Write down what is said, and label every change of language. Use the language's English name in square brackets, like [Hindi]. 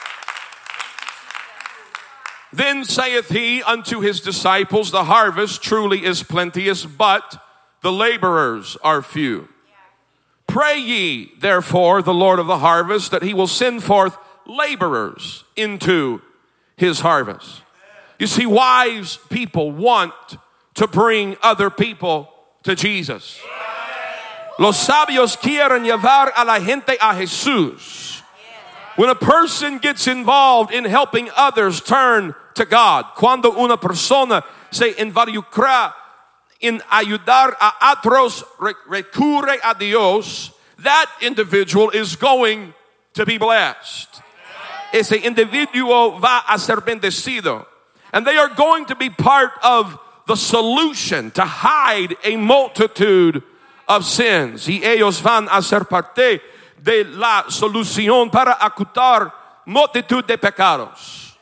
[English] Amen. Then saith he unto his disciples, the harvest truly is plenteous, but the laborers are few. Pray ye therefore the Lord of the harvest that he will send forth laborers into his harvest. You see, wise people want to bring other people to Jesus. [Spanish] Los sabios quieren llevar a la gente a Jesús. [English] When a person gets involved in helping others turn to God, [Spanish] cuando una persona se involucra en ayudar a otros recurre a Dios, [English] that individual is going to be blessed. [Spanish] Ese individuo va a ser bendecido. [English] And they are going to be part of the solution to hide a multitude of sins. [Spanish] Y ellos van a ser parte de la solución para ocultar multitud de pecados.